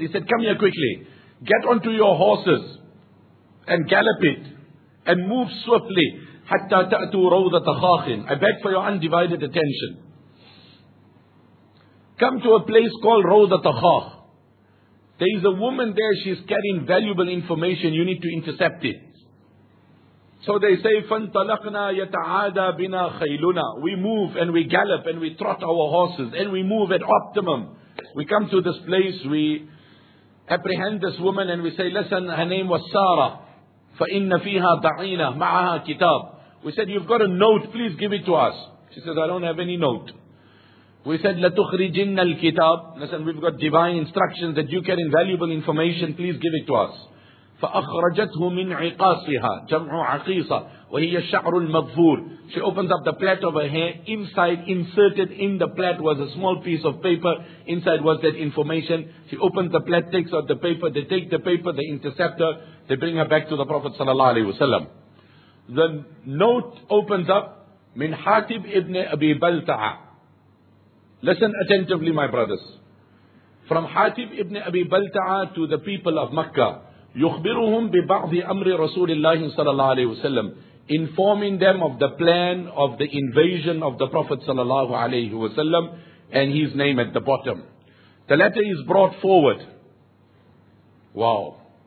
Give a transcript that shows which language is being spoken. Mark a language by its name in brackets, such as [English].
[English] He said, come here quickly. Get onto your horses and gallop it and move swiftly. [Arabic] Hatta ta'tu rawdat khakhin. [English] I beg for your undivided attention. Come to a place called Rawdat Khakh. There is a woman there, she's carrying valuable information. You need to intercept it. So they say, [Arabic] فَانْتَلَقْنَا يَتَعَادَى بِنَا خَيْلُنَا. [English] We move and we gallop and we trot our horses and we move at optimum. We come to this place, we apprehend this woman and we say, listen, her name was Sarah. [Arabic] فَإِنَّ فِيهَا ضَعِينَ مَعَهَا كِتَابٍ. [English] We said, you've got a note, please give it to us. She says, I don't have any note. We said, [Arabic] لَتُخْرِجِنَّ الْكِتَابِ. [English] Listen, we've got divine instructions that you get invaluable information, please give it to us. [Arabic] فَأَخْرَجَتْهُ مِنْ عِقَاصِهَا جَمْعُ عَقِيصَ وَهِيَ الشَّعْرُ الْمَغْفُورِ. [English] She opens up the plait of her hair. Inside, inserted in the plait was a small piece of paper. Inside was that information. She opens the plait, takes out the paper. They take the paper, they intercept her. They bring her back to the Prophet sallallahu alaihi wasallam. The note opens up, [Arabic] مِنْ حَاتِبْ ابْنِ أَبِي بَلْتَعَ. [English] Listen attentively, my brothers. From Hatib ibn Abi Balta'a to the people of Mecca, [Arabic] يُخْبِرُهُمْ بِبَعْضِ أَمْرِ رَسُولِ اللَّهِ صلى الله عليه وسلم, [English] informing them of the plan of the invasion of the Prophet sallallahu alayhi wa sallam, and his name at the bottom. The letter is brought forward. Wow.